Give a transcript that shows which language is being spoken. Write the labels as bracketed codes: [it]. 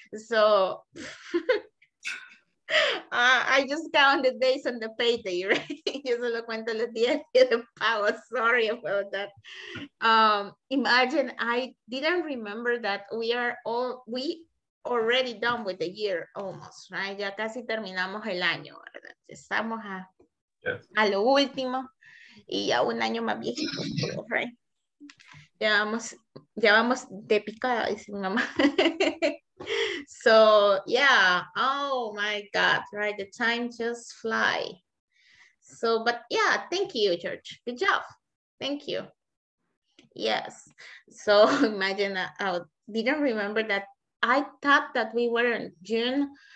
[en] So I just count the days on the payday, right? [es] Yo solo cuento los días de pago. [en] Sorry about that. Imagine, I didn't remember that we are all, we already done with the year almost, right? [es] Ya casi terminamos el año, ¿verdad? Estamos a, [en] yes, [es] a lo último y ya un año más viejito, right? Ya vamos de picada, dice mi mamá. [en] So, yeah, oh my God, right, the time just fly. So, but yeah, thank you, George. Good job. Thank you. Yes. So imagine, I didn't remember that. I thought that we were in June.